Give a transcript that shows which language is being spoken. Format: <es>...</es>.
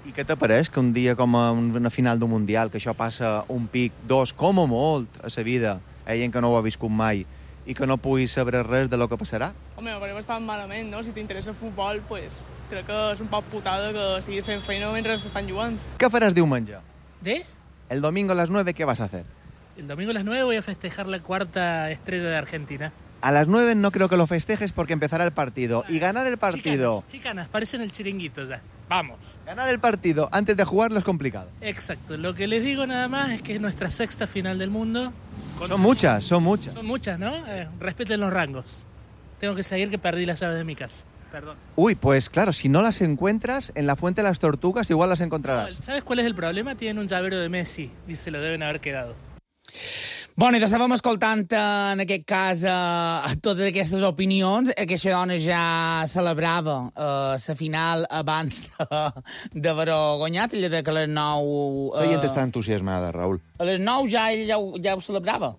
<ca>I què te pareix que un dia com una final d'un Mundial, que això passa un pic, dos, com o molt, a sa vida, gent que no ho ha viscut mai, i que no puguis saber res de lo que passarà? Home, però va estar malament, no? Si t'interessa el futbol, pues... Crec que és un poc putada que estigui fent feina mentre s'estan jugant. Què faràs diumenge?</ca> <es>¿De? El domingo</es> <ca>a les 9, què vas a fer?</ca> <es>El domingo a les 9 voy a festejar la quarta estrella de Argentina. A las 9 no creo que lo festejes porque empezará el partido. Y ganar el partido... Chicanas, parecen el chiringuito ya. Vamos. Ganar el partido antes de jugarlo es complicado. Exacto. Lo que les digo nada más es que es nuestra sexta final del mundo. Son muchas, son muchas. Son muchas, ¿no? Respeten los rangos. tengo que seguir, que perdí las aves de mi casa. Perdón. Uy, pues claro, si no las encuentras en la Fuente de las Tortugas, igual las encontrarás. No, ¿sabes cuál es el problema? Tienen un llavero de Messi y se lo deben haber quedado.</es> <ca>Bueno, doncs estàvem escoltant en aquest cas totes aquestes opinions. Aquesta dona ja celebrava la final abans d'haver guanyat. Ella de que a les 9... La gent està entusiasmada, Raül. A les 9 ja ella ja ho celebrava.</ca>